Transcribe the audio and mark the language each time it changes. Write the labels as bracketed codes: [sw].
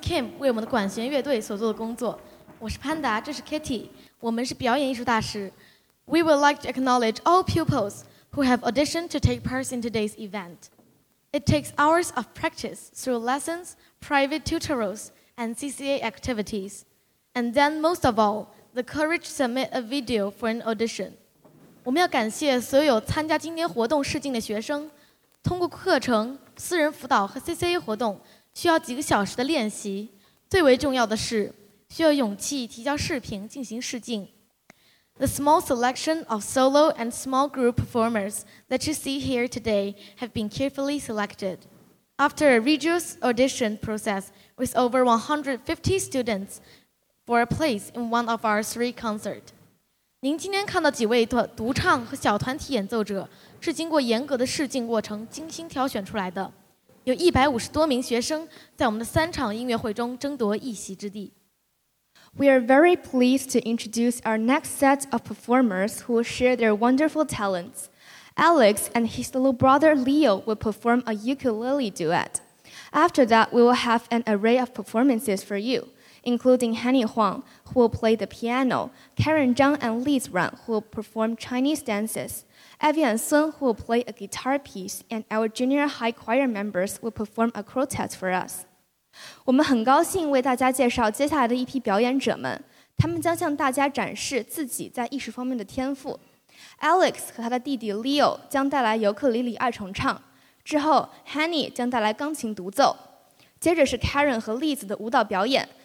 [zh] Kim 为我们的管弦乐队所做的工作。我是 Panda, 这是 Kitty, 我们是表演艺术大师。 [en] We would like to acknowledge all pupils who have auditioned to take part in today's event. It takes hours of practice through lessons, private tutorials, and CCA activities. And then most of all, the courage to submit a video for an audition. [zh] 我们要感谢所有参加今天活动试镜的学生，通过课程、私人辅导和 CCA 活动，需要几个小时的练习。最为重要的是，需要勇气提交视频进行试镜。 [en] The small selection of solo and small group performers that you see here today have been carefully selected. After a rigorous audition process with over 150 students for a place in one of our three concerts. [zh] 您今天看到几位独唱和小团体演奏者是经过严格的试镜过程精心挑选出来的。有150多名学生在我们的三场音乐会中争夺一席之地。 [en] We are very pleased to introduce our next set of performers who will share their wonderful talents. Alex and his little brother Leo will perform a ukulele duet. After that, we will have an array of performances for you. Including Hanni Huang, who will play the piano, Karen Zhang and Liz Ran, who will perform Chinese dances, Evian Sun, who will play a guitar piece, and our junior high choir members will perform a quartet for us. [zh] 我们很高兴为大家介绍接下来的一批表演者们，他们将向大家展示自己在艺术方面的天赋。 Alex 和他的弟弟 Leo 将带来尤克里里二重唱，之后 Hanni 将带来钢琴独奏，接着是 Karen 和 Liz 的舞蹈表演。